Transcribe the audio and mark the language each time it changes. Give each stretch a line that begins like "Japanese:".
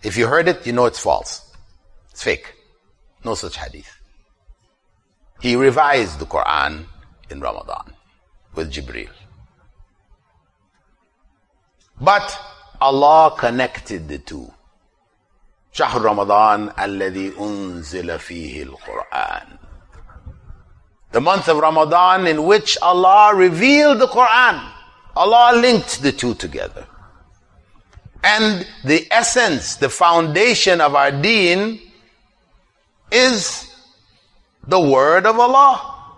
English: If you heard it, you know it's false. It's fake. No such hadith. He revised the Quran in Ramadan with Jibreel. But Allah connected the two.
Arabic: شهر رمضان الذي أنزل فيه القرآن.
English: The month of Ramadan in which Allah revealed the Quran. Allah linked the two together. And the essence, the foundation of our deen is the word of Allah.